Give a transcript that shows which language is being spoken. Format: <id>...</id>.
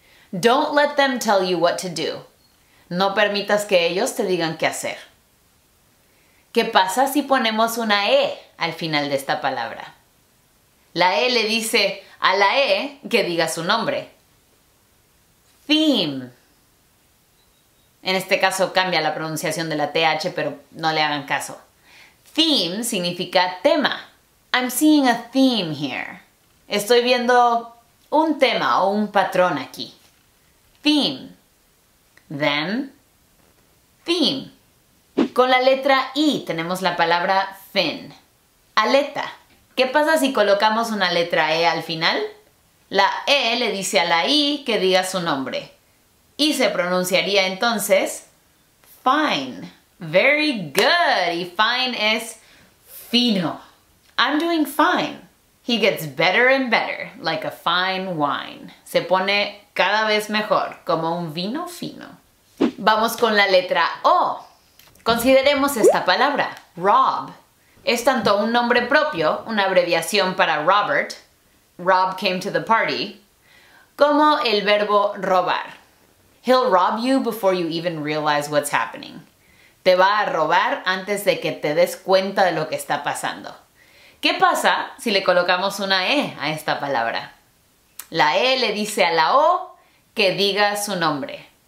<en>Don't let them tell you what to do.</en> <es>No permitas que ellos te digan qué hacer. ¿Qué pasa si ponemos una E al final de esta palabra? La E le dice a la E que diga su nombre. Theme. En este caso cambia la pronunciación de la TH, pero no le hagan caso. Theme significa tema.</es> <en>I'm seeing a theme here.</en> <es>Estoy viendo un tema o un patrón aquí. Theme. Then, theme. Con la letra I tenemos la palabra fin. Aleta. ¿Qué pasa si colocamos una letra E al final? La E le dice a la I que diga su nombre. Y se pronunciaría entonces fine.</es> <en>Very good.</en> <es>Y fine es fino.</es> <en>I'm doing fine. He gets better and better, like a fine wine.</en> <es>Se pone cada vez mejor, como un vino fino. Vamos con la letra O. Consideremos esta palabra, Rob. Es tanto un nombre propio, una abreviación para Robert,</es> <en>Rob came to the party,</en> <es>como el verbo robar.</es> <en>He'll rob you before you even realize what's happening.</en> <es>Te va a robar antes de que te des cuenta de lo que está pasando. ¿Qué pasa si le colocamos una E a esta palabra? La E le dice a la O que diga su nombre.</es>